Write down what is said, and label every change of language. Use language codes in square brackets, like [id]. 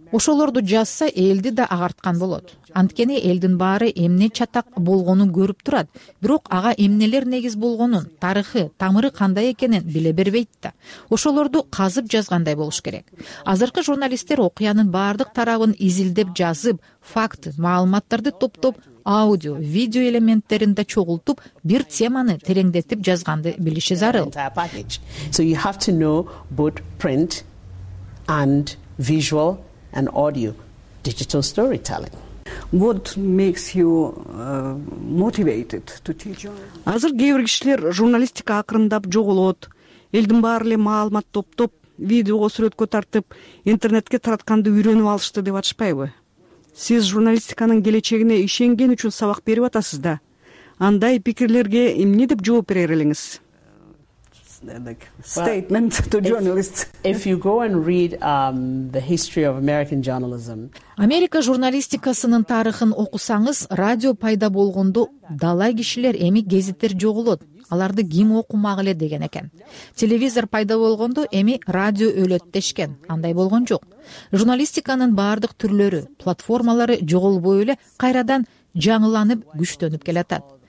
[ky] Ошолорду жазса, элди да агарткан болот. Анткени элдин баары эмне чатак болгонун көрүп турат, бирок ага эмнелер негиз болгонун, тарыхы, тамыры кандай экенин биле бербейт да. Ошолорду казып жазгандай болуш керек. Азыркы журналисттер окуянын бардык тарабын изилдеп жазып, факты, маалыматтарды топтоп, аудио, видео элементтерин да чогултуп, бир теманы тереңдетип жазганды билиши зарыл. [en] So you have to know both print and visual and audio digital storytelling. What makes you motivated to teach? [ky] Азыр кээ киштер журналистика акырындап жоголот, элдин баары эле маалымат топтоп, видеого сүрөткө тартып, интернетке таратканды үйрөнүп алышты деп атышпайбы? Сиз журналистиканын келечегине ишенген үчүн сабак берип атасыз да. Андай пикирлерге эмне деп жооп берер элеңиз? [en] Statement to journalists. If you go and read the history of American journalism. [ky] Америка журналистикасынын тарыхын окусаңыз, радио пайда болгондо далай кишилер эми гезиттер жоголот. Аларды ким окумак эле деген экен. Телевизор пайда болгондо эми радио өлөт дешкен. Андай болгон жок. Журналистиканын бардык түрлөрү, платформалары жоголбой эле кайрадан жаңыланып, күчтөнүп келатат.